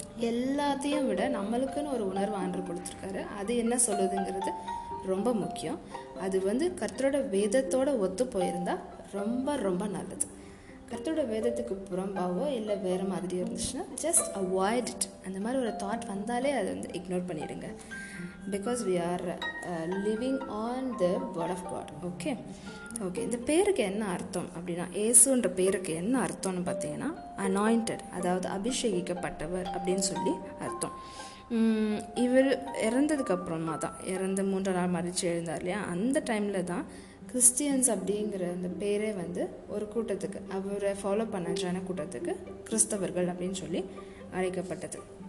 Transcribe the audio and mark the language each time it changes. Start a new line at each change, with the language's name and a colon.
Tamil: எல்லாத்தையும் விட நம்மளுக்குன்னு ஒரு உணர்வு ஆண்டர் கொடுத்துருக்காரு, அது என்ன சொல்லுதுங்கிறது ரொம்ப முக்கியம். அது வந்து கர்த்தரோட வேதத்தோடு ஒத்து போயிருந்தால் ரொம்ப ரொம்ப நல்லது. கர்த்தரோட வேதத்துக்கு புறம்பாவோ இல்லை வேறு மாதிரியோ இருந்துச்சுன்னா
English: Just avoid it.
Tamil: அந்த மாதிரி ஒரு தாட் வந்தாலே அதை வந்து இக்னோர் பண்ணிவிடுங்க.
English: Because we are living on the word of God. Okay? Okay.
Tamil: இந்த பேருக்கு என்ன அர்த்தம் அப்படின்னா, ஏசுன்ற பேருக்கு என்ன அர்த்தம்னு பார்த்தீங்கன்னா அனாயிண்டட், அதாவது அபிஷேகிக்கப்பட்டவர் அப்படின்னு சொல்லி அர்த்தம். இவர் இறந்ததுக்கப்புறமா தான், இறந்து 3 நாள் மறிச்சு எழுந்தார் இல்லையா, அந்த டைமில் தான் கிறிஸ்டியன்ஸ் அப்படிங்கிற அந்த பேரே வந்து ஒரு கூட்டத்துக்கு, அவரை ஃபாலோ பண்ண ஜன கூட்டத்துக்கு கிறிஸ்தவர்கள் அப்படின்னு சொல்லி அழைக்கப்பட்டது.